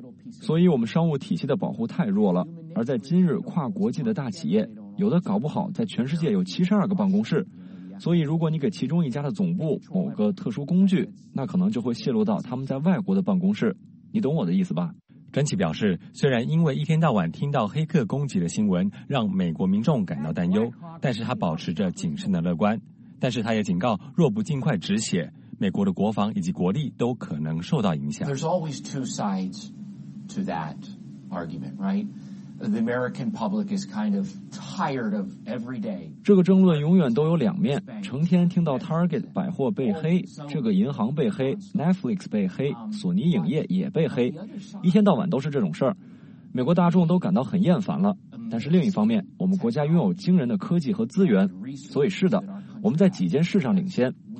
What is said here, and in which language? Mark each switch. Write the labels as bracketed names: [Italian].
[Chinese] 所以我们商务体系的保护太弱了，而在今日跨国际的大企业，有的搞不好在全世界有72个办公室，所以如果你给其中一家的总部某个特殊工具，那可能就会泄露到他们在外国的办公室，你懂我的意思吧？詹奇表示，虽然因为一天到晚听到黑客攻击的新闻让美国民众感到担忧，但是他保持着谨慎的乐观。但是他也警告，若不尽快止血，美国的国防以及国力都可能受到影响。 [English] There's always two sides to that argument, right? The American public is kind of tired of every day. [Chinese] 这个争论永远都有两面，成天听到 Target 百货被黑，这个银行被黑， Netflix 被黑，索尼影业也被黑，一天到晚都是这种事儿。美国大众都感到很厌烦了。但是另一方面，我们国家拥有惊人的科技和资源，所以是的，我们在几件事上领先。